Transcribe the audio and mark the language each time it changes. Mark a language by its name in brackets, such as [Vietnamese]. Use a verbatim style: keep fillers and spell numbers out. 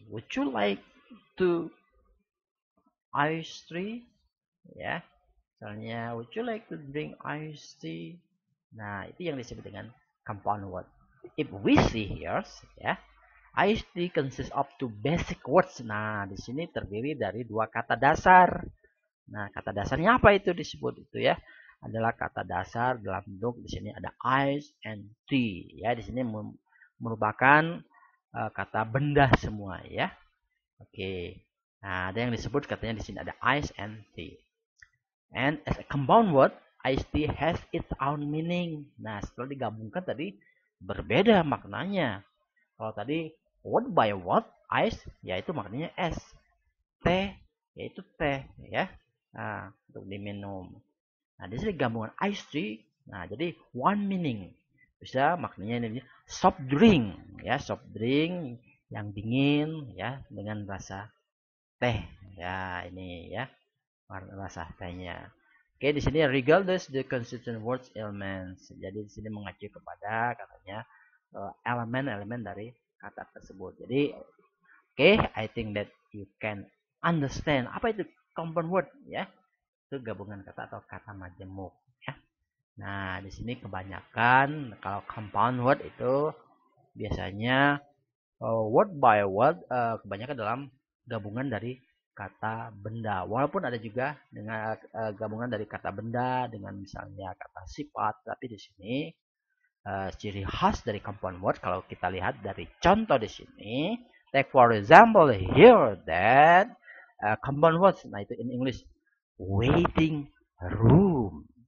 [English] Would you like to ice tea? Ya. Misalnya would you like to drink ice tea? [Indonesian] Nah, itu yang disebut dengan compound word. [English] If we see here ya, ice tea consists of two basic words. [Indonesian] Nah, di sini terdiri dari dua kata dasar. Nah, kata dasarnya apa itu disebut itu ya? Adalah kata dasar dalam bentuk di sini ada ice and tea ya, di sini merupakan uh, kata benda semua ya. Oke. Okay. Nah, ada yang disebut katanya di sini ada ice and tea. [English] And as a compound word, ice tea has its own meaning. [Indonesian] Nah, setelah digabungkan tadi berbeda maknanya. Kalau tadi word by word ice yaitu maknanya es. Teh yaitu teh ya. Nah, untuk diminum. Nah, di sini gabungan ice tea. Nah, jadi [English] one meaning. [Indonesian] Bisa maknanya ini soft drink ya, soft drink yang dingin ya dengan rasa teh. Ya, ini ya rasa tehnya. Oke, di sini [English] regardless the consistent words elements. [Indonesian] Jadi di sini mengacu kepada katanya elemen-elemen dari kata tersebut. [English] Jadi oke, I think that you can understand [Indonesian] apa itu [English] compound word ya. [Indonesian] Itu gabungan kata atau kata majemuk ya. Nah, di sini kebanyakan kalau compound word itu biasanya uh, word by word uh, kebanyakan dalam gabungan dari kata benda. Walaupun ada juga dengan uh, gabungan dari kata benda dengan misalnya kata sifat, tapi di sini uh, ciri khas dari compound word kalau kita lihat dari contoh di sini, [English] take for example here that uh, compound words, [Indonesian] nah itu [English] in English waiting room.